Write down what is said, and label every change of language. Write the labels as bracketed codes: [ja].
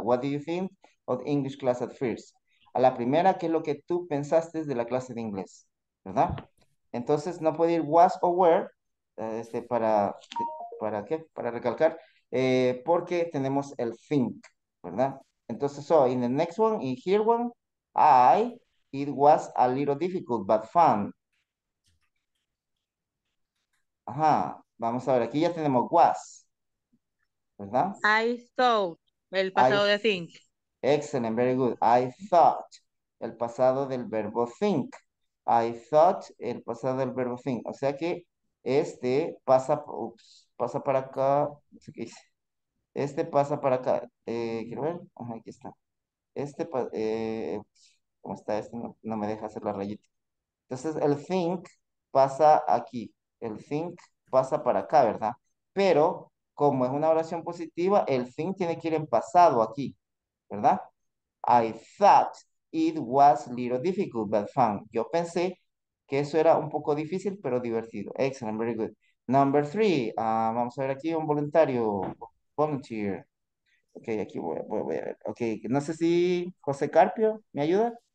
[en] What did you think of English class at first? [es] A la primera, ¿qué es lo que tú pensaste de la clase de inglés? ¿Verdad? Entonces, no puede ir [en] was or were, [es] ¿para qué? Para recalcar, porque tenemos el think, ¿verdad? Entonces, so, in the next one, in here one, it was a little difficult, but fun. Ajá, vamos a ver, aquí ya tenemos was, ¿verdad? [en] I thought, [es] el pasado de think. [en] Excellent, very good. I thought, [es] el pasado del verbo think. [en] I thought, [es] el pasado del verbo think. O sea que este pasa, pasa para acá, no sé qué dice. Este pasa para acá. Quiero ver. Ajá, aquí está. Este, ¿cómo está este? No me deja hacer la rayita. Entonces, el think pasa aquí. El think pasa para acá, ¿verdad? Pero, como es una oración positiva, el think tiene que ir en pasado aquí, ¿verdad? [en] I thought it was a little difficult, but fun. [es] Yo pensé que eso era un poco difícil, pero divertido. [en] Excellent, very good. Number three. [es] Vamos a ver aquí un voluntario. [en] Volunteer. [es] Ok, aquí voy a ver. Ok, no sé si José Carpio me ayuda.